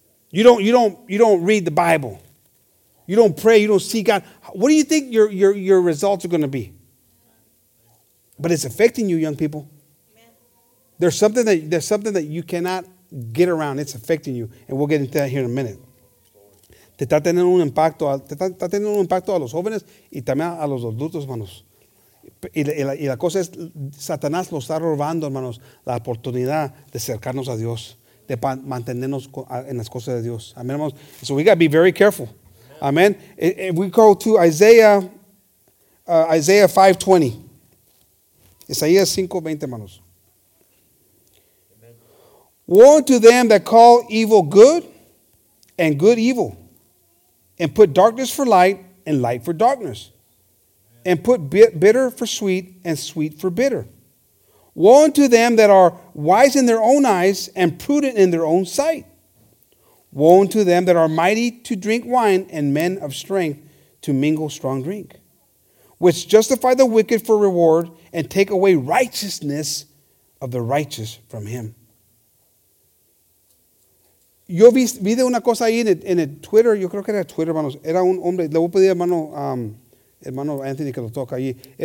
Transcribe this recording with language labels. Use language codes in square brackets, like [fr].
[en] You don't read the Bible. You don't pray. You don't seek God. What do you think your results are going to be? But it's affecting you, young people. There's something that you cannot get around. It's affecting you. And we'll get into that here in a minute. [es] Te está teniendo un impacto. Te está teniendo un impacto a los jóvenes y también a los adultos, hermanos. Y la cosa es, Satanás lo está robando, hermanos, la oportunidad de acercarnos a Dios, de mantenernos en las cosas de Dios. Amén, hermanos. [en] So we got to be very careful. Amen. If we go to Isaiah 5:20. [es] Isaías 5:20, hermanos. [en] Woe to them that call evil good and good evil, and put darkness for light and light for darkness, and put bitter for sweet and sweet for bitter. Woe unto them that are wise in their own eyes and prudent in their own sight. Woe unto them that are mighty to drink wine and men of strength to mingle strong drink, which justify the wicked for reward and take away righteousness of the righteous from him. [es] Yo vi de una cosa ahí en el Twitter, yo creo que era Twitter, hermanos. Era un hombre, le voy a pedir hermano Anthony que lo toque ahí.